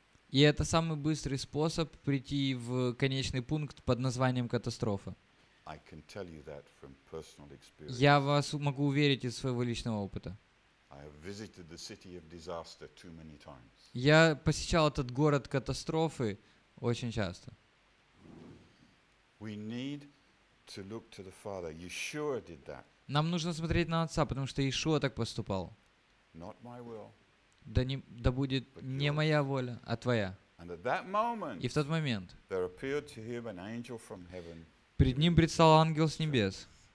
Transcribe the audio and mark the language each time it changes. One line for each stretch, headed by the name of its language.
Russian: И это самый быстрый способ прийти в конечный пункт под названием катастрофа.
English: I can tell you that from personal experience.
Russian: Я вас могу уверить из своего личного опыта.
English: I have visited the city of disaster too many times.
Russian: Я посещал этот город катастрофы очень часто.
English: We need to look to the Father. Yeshua did that.
Russian: Нам нужно смотреть на Отца, потому что Иешуа так поступал.
English: Not my will.
Russian: Да будет не моя воля, а твоя.
English: And at that moment,
Russian: и в тот момент,
English: there appeared to him an angel from heaven.
Russian: Перед ним предстал ангел с небес.